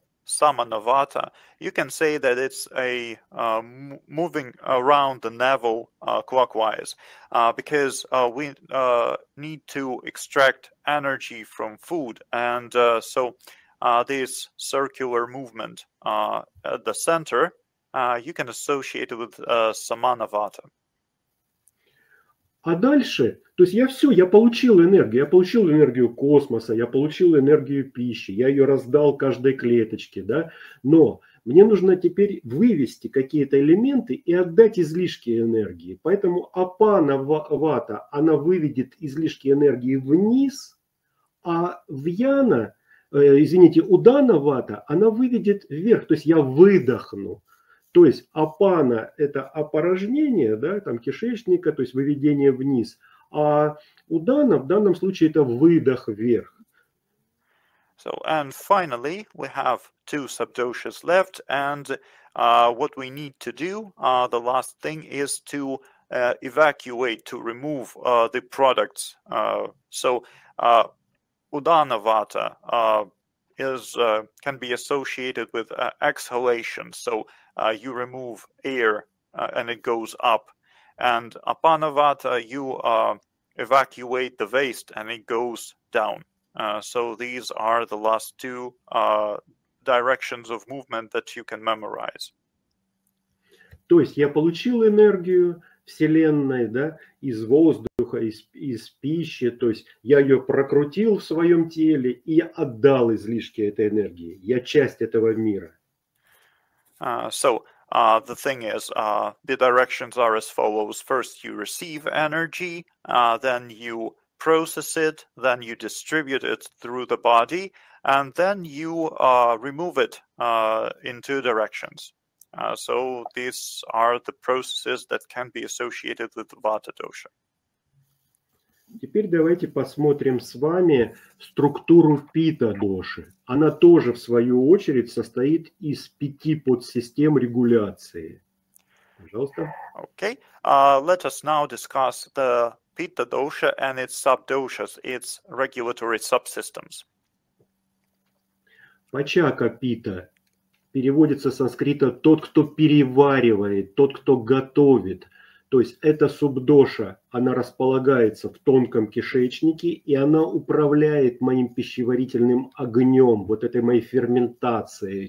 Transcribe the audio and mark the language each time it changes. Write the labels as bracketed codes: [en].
[en] Samanavata, you can say that it's a moving around the navel clockwise, because we need to extract energy from food, and so this circular movement at the center, you can associate it with Samanavata. [ru] А дальше, то есть я все, я получил энергию космоса, я получил энергию пищи, я ее раздал каждой клеточке, да, но мне нужно теперь вывести какие-то элементы и отдать излишки энергии, поэтому апана вата, она выведет излишки энергии вниз, а вьяна, удана вата, она выведет вверх, то есть я выдохну. То есть апана – это опорожнение, да, там кишечника, то есть выведение вниз. А удана в данном случае – это выдох вверх. [en] So, and finally, we have two subdoshas left. And what we need to do, the last thing, is to evacuate, to remove the products. So, удана вата is can be associated with exhalation. So you remove air and it goes up. And apana vata, you evacuate the waste and it goes down. So these are the last two directions of movement that you can memorize. [ru] То есть я получил энергию Вселенной, да, из воздуха, из пищи, то есть я ее прокрутил в своем теле и отдал излишки этой энергии. Я часть этого мира. [en] The thing is, the directions are as follows. First, you receive energy, then you process it, then you distribute it through the body, and then you remove it in two directions. So these are the processes that can be associated with Vata dosha. [ru] Теперь давайте посмотрим с вами структуру Pitta доши. Она тоже, в свою очередь, состоит из пяти подсистем регуляции. Пожалуйста. [en] Okay. Let us now discuss the Pitta dosha and its subdoshas, its regulatory subsystems. [ru] Пачака Pitta. Переводится с санскрита «тот, кто переваривает», «тот, кто готовит». То есть эта субдоша, она располагается в тонком кишечнике, и она управляет моим пищеварительным огнем, вот этой моей ферментацией.